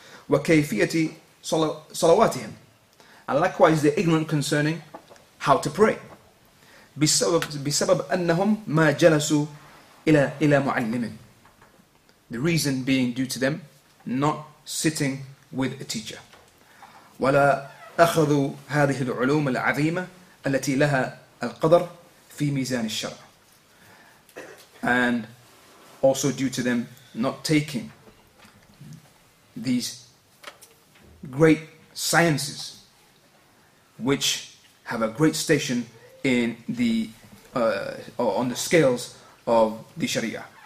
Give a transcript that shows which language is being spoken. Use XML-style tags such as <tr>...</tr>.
<ar>وَكَيْفِيَةِ صَلَوَاتِهِمْ.</ar> <en>And likewise the ignorant concerning how to pray.</en> <ar>بِسَبَبْ أَنَّهُمْ مَا جَلَسُوا إِلَى مُعَلِّمٍ.</ar> <en>The reason being due to them not sitting with a teacher.</en> <ar>وَلَا أخذوا هذه العلوم العظيمة التي لها القدر في ميزان الشرع.</ar> <en>And also due to them not taking these great sciences which have a great station in the on the scales of the Sharia.</en>